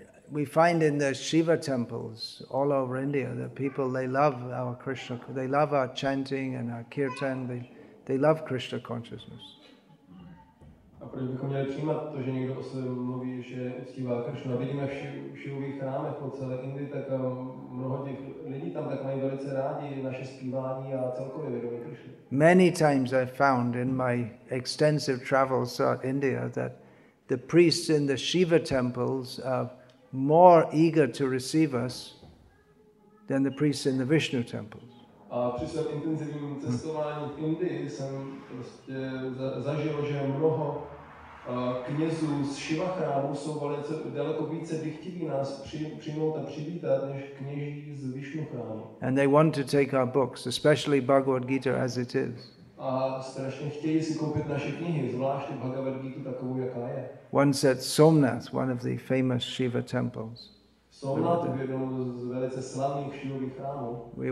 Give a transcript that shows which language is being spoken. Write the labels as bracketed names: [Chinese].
[English] We find in the Shiva temples all over India that people, they love our Krishna, they love our chanting and our kirtan, they love Krishna consciousness. [Czech] A proč bychom měli přijímat to, že někdo o sobě mluví, že uctívá Kršnu? Vidíme v Šivových chrámech po celé Indii, tak mnoho těch lidí tam tak mají velice rádi naše zpívání a celkově vědomí Kršnu. [English] Many times I found in my extensive travels throughout India that the priests in the Shiva temples are more eager to receive us than the priests in the Vishnu temples. [Czech] A při svém intenzivním cestování v Indii jsem prostě zažil, že mnoho knězů z Shiva chrámu jsou velice daleko více dychtiví nás přijmout a přivítat než kněží z Vishnu chrámu. [English] And they want to take our books, especially Bhagavad Gita as it is. [Czech] A strašně chtějí si koupit naše knihy, zvláště Bhagavad Gita takovou, jaká je. [English] Once at Somnath, one of the famous Shiva temples. [Czech] Somnath byl jeden z velice slavných Shivových chrámů.